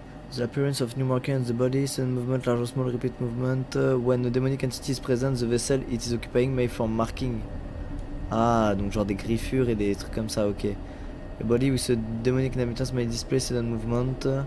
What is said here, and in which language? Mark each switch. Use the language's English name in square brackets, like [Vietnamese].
[English] The appearance of new markings on the body, sudden movement, large or small, repeat movement. When a demonic entity is present, the vessel it is occupying may form marking. [French] Ah, donc genre des griffures et des trucs comme ça, ok. [English] The body with a demonic inhabitants may display sudden movement.